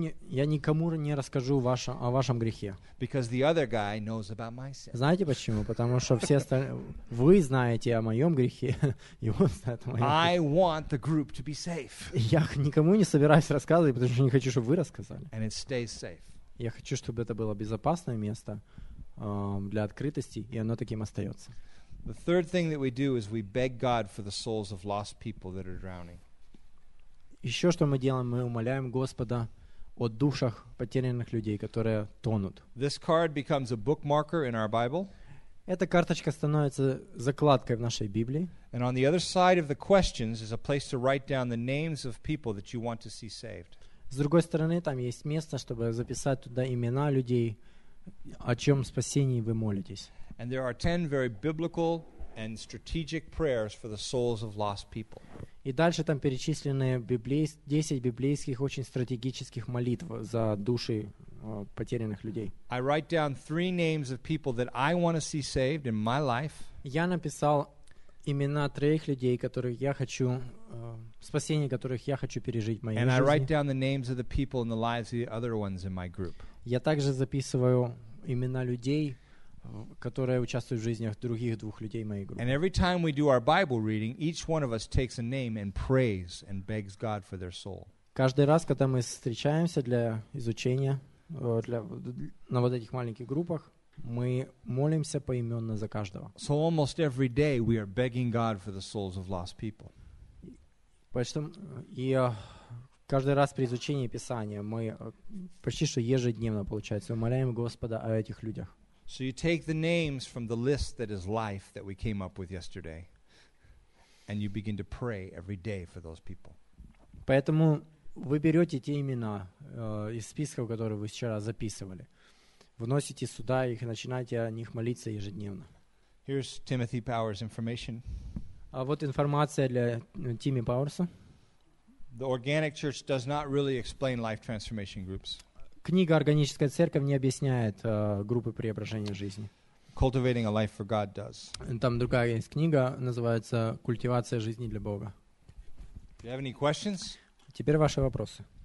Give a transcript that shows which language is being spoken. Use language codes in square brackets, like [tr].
[ru] Я никому не расскажу о вашем грехе. [en] Because the other guy knows about my sin. [ru] Знаете почему? Потому что все остальные... Вы знаете о моем грехе, и он знает о моем грехе. [en] I want the group to be safe. [ru] Я никому не собираюсь рассказывать, потому что не хочу, чтобы вы рассказали. [en] And it stays safe. [ru] Я хочу, чтобы это было безопасное место для открытости, и оно таким остается. [en] The third thing that we do is we beg God for the souls of lost people that are drowning. [ru] Еще что мы делаем, мы умоляем Господа о душах потерянных людей, которые тонут. [en] This card becomes a bookmarker in our Bible. [ru] Эта карточка становится закладкой в нашей Библии. [en] And on the other side of the questions is a place to write down the names of people that you want to see saved. [ru] С другой стороны, там есть место, чтобы записать туда имена людей, о чем спасении вы молитесь. [en] And there are 10 very biblical and strategic prayers for the souls of lost people. [ru] И дальше там перечислены 10 библейских очень стратегических молитв за души потерянных людей. [en] I write down three names of people that I want to see saved in my life. [ru] Я написал имена трех людей, которых я хочу спасение которых я хочу пережить в моей [en] and [ru] жизни. [en] And I write down the names of the people and the lives of the other ones in my group. [ru] Я также записываю имена людей, которая участвует в жизнях других двух людей моей группы. [en] And every time we do our Bible reading, each one of us takes a name and prays and begs God for their soul. [ru] Каждый раз, когда мы встречаемся для изучения, на вот этих маленьких группах, мы молимся поименно за каждого. [en] So almost every day we are begging God for the souls of lost people. [ru] Поэтому каждый раз при изучении Писания мы почти что ежедневно, получается, умоляем Господа о этих людях. [en] So you take the names from the list that is life that we came up with yesterday, and you begin to pray every day for those people. [ru] Поэтому вы берете те имена из списков, которые вы вчера записывали, вносите сюда их и начинаете о них молиться ежедневно. [en] Here's Timothy Power's information. [ru] А вот информация для Тимми Пауэрса. [en] The Organic Church does not really explain life transformation groups. [ru] Книга «Органическая церковь» не объясняет группы преображения жизни. [en] Cultivating a life for God does. [ru] Там другая есть книга, называется «Культивация жизни для Бога». [en] Do you have any questions? [ru] Теперь ваши вопросы.